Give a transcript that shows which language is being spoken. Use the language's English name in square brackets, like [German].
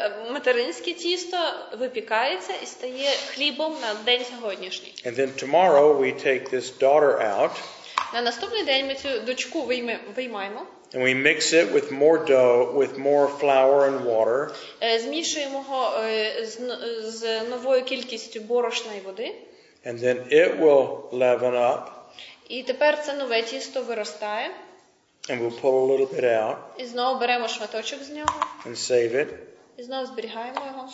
[Ukrainian] Материнське тісто випікається і стає хлібом на день сьогоднішній. [English] And then tomorrow we take this daughter out. [Ukrainian] На наступний день ми цю дочку виймаємо. [English] And we mix it with more dough, with more flour and water. [Ukrainian] Змішуємо його з новою кількістю борошна і води. [English] And then it will leaven up. [Ukrainian] І тепер це нове тісто виростає. [English] And we'll pull a little bit out. [Ukrainian] І знову беремо шматочок з нього. [English] And save it. [Ukrainian] І знову зберігаємо його.